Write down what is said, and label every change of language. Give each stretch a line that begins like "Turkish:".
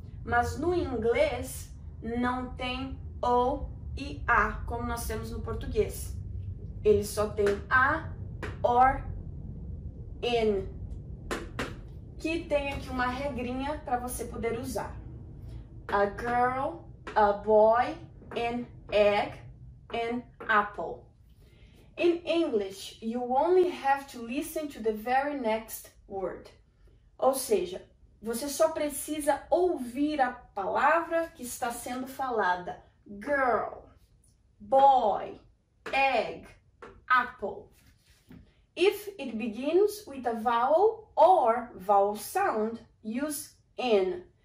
Portuguese: Mas no inglês não tem o e a como nós temos no português. Ele só tem a or an, que tem aqui uma regrinha para você poder usar.
English: A girl, a boy, an egg, an apple. In English, you only have to listen to the very next word.
Portuguese: Ou seja, você só precisa ouvir a palavra que está sendo falada.
English: Girl, boy, egg, apple. If it begins with a vowel or vowel sound, use an.